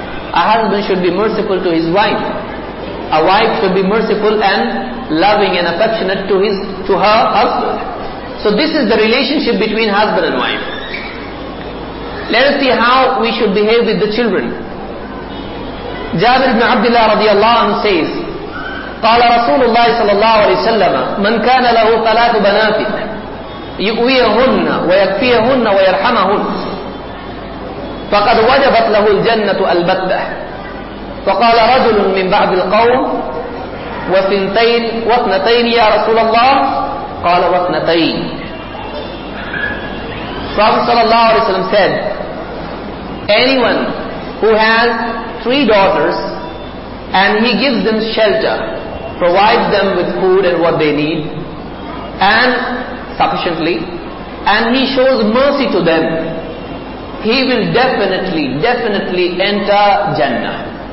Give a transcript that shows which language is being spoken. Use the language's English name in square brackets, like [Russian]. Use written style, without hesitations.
[English] A husband should be merciful to his wife. A wife should be merciful and loving and affectionate to her husband. So this is the relationship between husband and wife. Let us see how we should behave with the children. [Arabic] Jabir ibn Abdullah radiallahu anhu says, قال رسول الله صلى الله عليه وسلم من كان له ثلاث بنات يؤويهن ويكفيهن ويرحمهن فقد وجبت له الجنة البتة. فقال رجل من بعض القوم واثنتين يا رسول الله. قال واثنتين. [English] Prophet صلى الله عليه وسلم said, anyone who has three daughters and he gives them shelter, provides them with food and what they need, and sufficiently, and he shows mercy to them, he will definitely enter Jannah.